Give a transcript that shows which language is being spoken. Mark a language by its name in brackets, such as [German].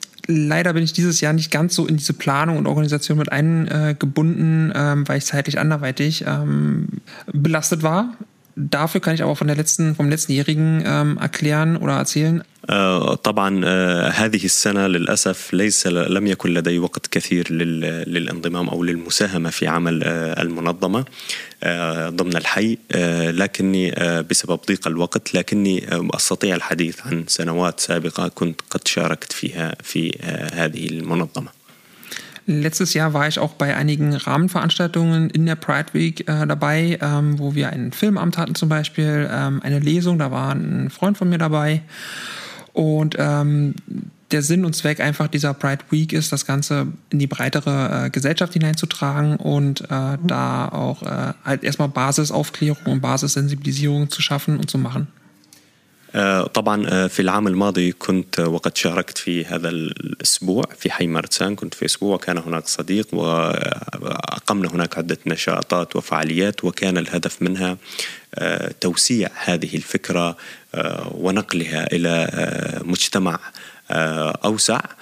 [German] Leider bin ich dieses Jahr nicht ganz so in diese Planung und Organisation mit eingebunden, weil ich zeitlich anderweitig belastet war. Dafür kann ich aber von der letzten vom letztenjährigen erklären oder erzählen. [Arabic] طبعا هذه السنة للأسف لم يكن لدي وقت كثير للانضمام أو للمساهمة في عمل المنظمة ضمن الحي لكني بسبب ضيق الوقت لكني أستطيع الحديث عن سنوات سابقة كنت قد شاركت فيها في هذه المنظمة. [German] Letztes Jahr war ich auch bei einigen Rahmenveranstaltungen in der Pride Week dabei, wo wir einen Filmabend hatten zum Beispiel, eine Lesung, da war ein Freund von mir dabei. Und der Sinn und Zweck einfach dieser Pride Week ist, das Ganze in die breitere Gesellschaft hineinzutragen und da auch halt erstmal Basisaufklärung und Basissensibilisierung zu schaffen und zu machen. [Arabic] طبعا في العام الماضي كنت وقد شاركت في هذا الأسبوع في حي مرتسان كنت في أسبوع وكان هناك صديق وأقمنا هناك عدة نشاطات وفعاليات وكان الهدف منها توسيع هذه الفكرة ونقلها إلى مجتمع أوسع